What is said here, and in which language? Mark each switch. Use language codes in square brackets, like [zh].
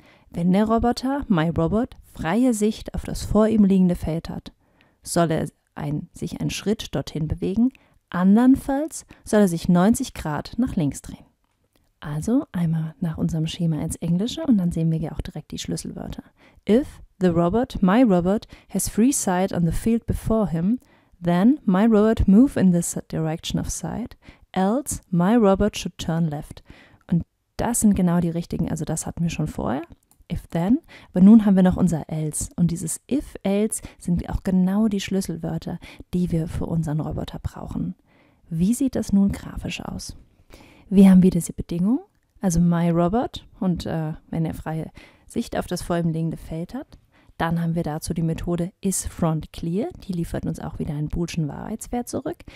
[de] Wenn der Roboter, my Robot, freie Sicht auf das vor ihm liegende Feld hat, soll er sich einen Schritt dorthin bewegen, andernfalls soll er sich 90 Grad nach links drehen. Also einmal nach unserem Schema ins Englische und dann sehen wir ja auch direkt die Schlüsselwörter. [en] If the robot, my robot, has free sight on the field before him, then my robot move in this direction of sight, else my robot should turn left. [de] Und das sind genau die richtigen, also das hatten wir schon vorher. If then, aber nun haben wir noch unser else. Und dieses if else sind auch genau die Schlüsselwörter, die wir für unseren Roboter brauchen. Wie sieht das nun grafisch aus? Wir haben wieder diese Bedingung, also my robot und wenn er freie Sicht auf das vor ihm liegende Feld hat, dann haben wir dazu die Methode isFrontClear, die liefert uns auch wieder einen booleschen Wahrheitswert zurück.